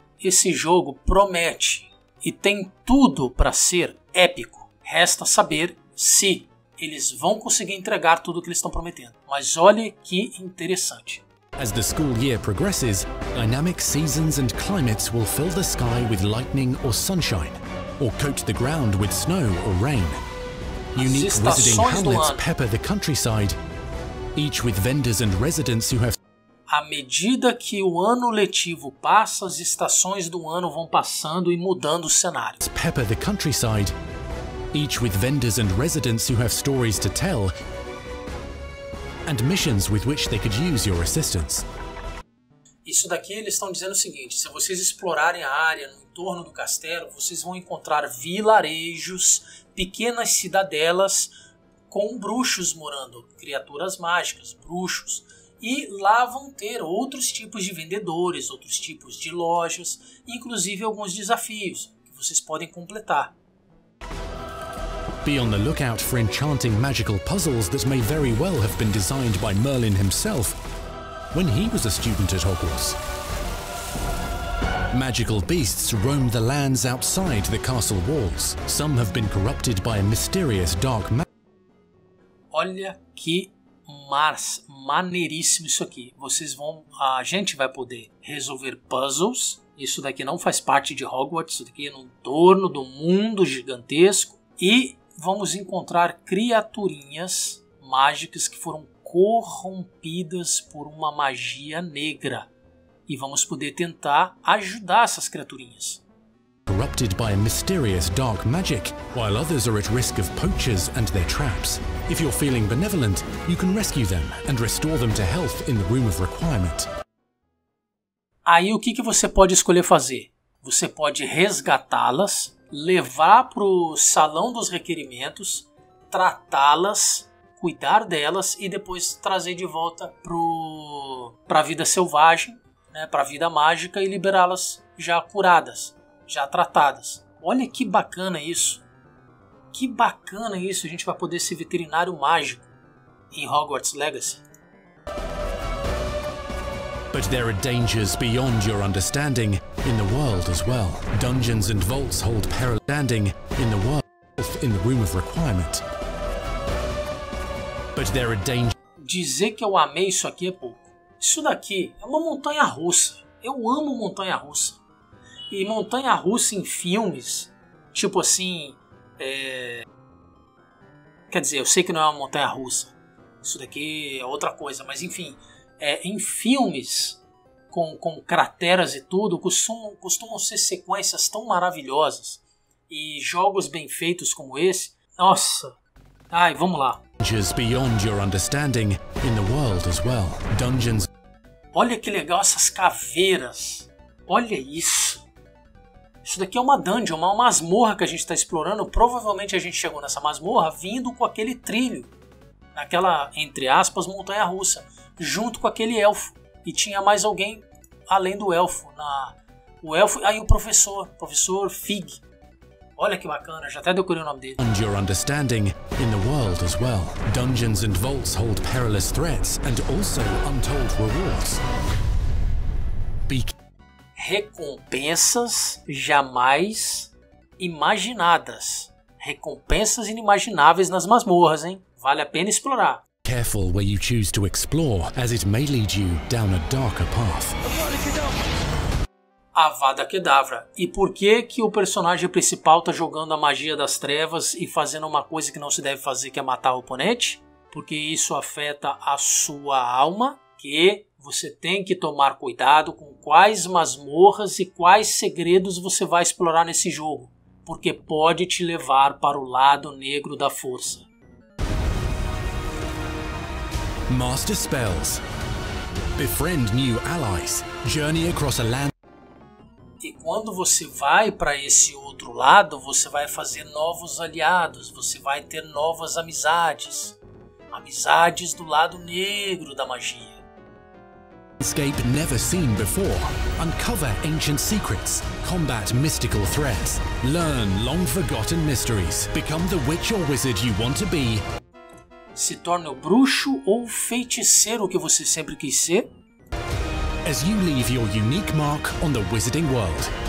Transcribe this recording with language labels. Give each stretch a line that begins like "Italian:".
Portuguese: Esse jogo promete e tem tudo para ser épico. Resta saber se eles vão conseguir entregar tudo o que eles estão prometendo. Mas olha que interessante.
English: As the school year progresses, dynamic seasons and climates will fill the sky with lightning or sunshine, or coat the ground with snow or rain. Unique visiting hamlets pepper the countryside, each with vendors and residents who have.
Portuguese: À medida que o ano letivo passa, as estações do ano vão passando e mudando o cenário.
English: Pepper the countryside, each with vendors and residents who have stories to tell. And missions with which they could use your assistance.
Portuguese: Isso daqui eles estão dizendo o seguinte: se vocês explorarem a área no entorno do castelo, vocês vão encontrar vilarejos, pequenas cidadelas com bruxos morando, criaturas mágicas, bruxos. E lá vão ter outros tipos de vendedores, outros tipos de lojas, inclusive alguns desafios que vocês podem completar.
English: Be on the lookout for enchanting magical puzzles that may very well have been designed by Merlin himself when he was a student at Hogwarts. Magical beasts roam the lands outside the castle walls. Some have been corrupted by a mysterious dark magic.
Portuguese: Olha que maneiríssimo isso aqui. Vocês vão, a gente vai poder resolver puzzles. Isso daqui não faz parte de Hogwarts, isso daqui é no torno do mundo gigantesco e vamos encontrar criaturinhas mágicas que foram corrompidas por uma magia negra. E vamos poder tentar ajudar essas criaturinhas.
English: Corrupted by a mysterious dark magic, while others are at risk of poachers and their traps. If you're feeling benevolent, you can rescue them and restore them to health in the room of requirement.
Portuguese: Aí o que você pode escolher fazer? Você pode resgatá-las, levar para o salão dos requerimentos, tratá-las, cuidar delas e depois trazer de volta para a vida selvagem, né, para a vida mágica e liberá-las já curadas, já tratadas. Olha que bacana isso. Que bacana isso. A gente vai poder ser veterinário mágico em Hogwarts Legacy.
English: But there are dangers beyond your understanding in the world as well. Dungeons and vaults hold peril standing in the world in the room of requirement. But there are dangers.
Portuguese: Dizer que eu amei isso aqui é pouco. Isso daqui é uma montanha russa. Eu amo montanha russa. E montanha russa em filmes, tipo assim, quer dizer, eu sei que não é uma montanha russa. Isso daqui é outra coisa, mas enfim, em filmes com crateras e tudo, costumam ser sequências tão maravilhosas. E jogos bem feitos como esse, nossa. Ai, vamos lá.
English: Beyond your understanding in the world as well. Dungeons.
Portuguese: Olha que legal essas caveiras. Olha isso. Isso daqui é uma dungeon, uma masmorra que a gente está explorando. Provavelmente a gente chegou nessa masmorra vindo com aquele trilho. Naquela, entre aspas, montanha-russa. Junto com aquele elfo. E tinha mais alguém além do elfo. Aí o professor. Professor Fig. Olha que bacana. Já até decorei o nome dele.
English: And your understanding in the world as well. Dungeons and vaults hold perilous threats and also untold rewards.
Portuguese: Recompensas jamais imaginadas. Recompensas inimagináveis nas masmorras, hein? Vale a pena explorar.
English: Careful where you choose to explore, as it may lead you down a darker path. Avada Kedavra.
Portuguese: E por que que o personagem principal está jogando a magia das trevas e fazendo uma coisa que não se deve fazer, que é matar o oponente? Porque isso afeta a sua alma, que você tem que tomar cuidado com quais masmorras e quais segredos você vai explorar nesse jogo, porque pode te levar para o lado negro da força.
English: Master spells. Befriend new allies. Journey across a land.
Portuguese: E quando você vai para esse outro lado, você vai fazer novos aliados, você vai ter novas amizades. Amizades do lado negro da magia.
English: landscape never seen before. Uncover ancient secrets, combat mystical threats, learn long-forgotten mysteries, become the witch or wizard you want to be.
Portuguese: Se torne o bruxo ou feiticeiro que você sempre quis ser.
English: As you leave your unique mark on the wizarding world.